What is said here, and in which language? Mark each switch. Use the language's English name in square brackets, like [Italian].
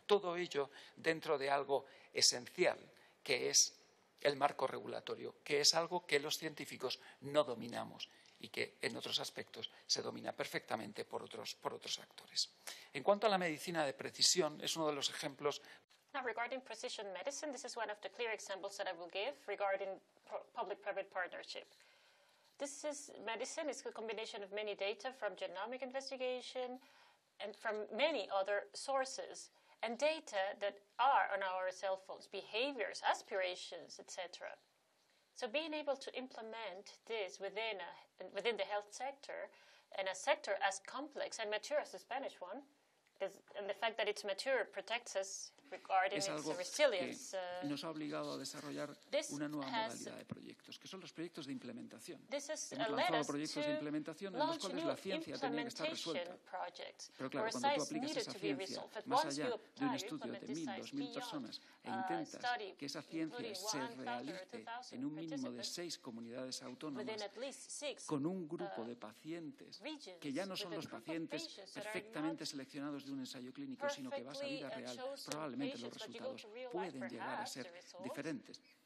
[Spanish] Todo ello dentro de algo esencial, que es el marco regulatorio, que es algo que los científicos no dominamos y que en otros aspectos se domina perfectamente por otros actores. En cuanto a la medicina de precisión, es uno de los ejemplos. [English] Now regarding precision medicine, this is one of the clear examples that I will give regarding public-private partnership. This is medicine, it's a combination of many data from genomic investigation and from many other sources and data that are on our cell phones, behaviors, aspirations, etc. So being able to implement this within the health sector and a sector as complex and mature as the Spanish one, and the fact that it's mature protects us regarding its resilience. [Spanish] Nos ha obligado a desarrollar una nueva modalidad de proyectos, que son los proyectos de implementación. Hemos lanzado proyectos de implementación en los cuales la ciencia tenía que estar resuelta. Pero claro, cuando tú aplicas esa ciencia más allá de un estudio de 1.000, 2.000 personas e intentas que esa ciencia se realice en un mínimo de 6 comunidades autónomas con un grupo de pacientes que ya no son los pacientes perfectamente seleccionados de un ensayo clínico, sino que vas a vida real, probablemente los resultados pueden llegar a ser diferentes.